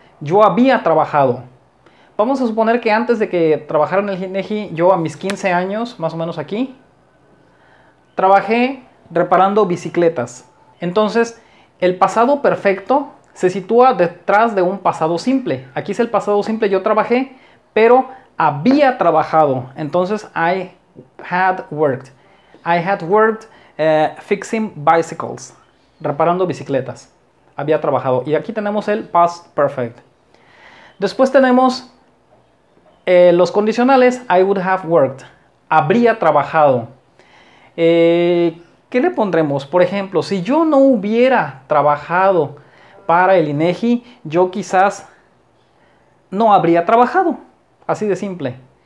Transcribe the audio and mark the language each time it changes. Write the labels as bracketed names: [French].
[Spanish] Yo había trabajado. Vamos a suponer que antes de que trabajara en el INEGI, yo a mis 15 años, más o menos aquí, trabajé reparando bicicletas. Entonces, el pasado perfecto se sitúa detrás de un pasado simple. Aquí es el pasado simple, yo trabajé, pero había trabajado. [English] Entonces, I had worked. I had worked fixing bicycles, [Spanish] reparando bicicletas. Había trabajado. Y aquí tenemos el past perfect. Después tenemos los condicionales. [English] I would have worked. [Spanish] Habría trabajado. ¿Qué le pondremos? Por ejemplo, si yo no hubiera trabajado para el INEGI, yo quizás no habría trabajado. Así de simple.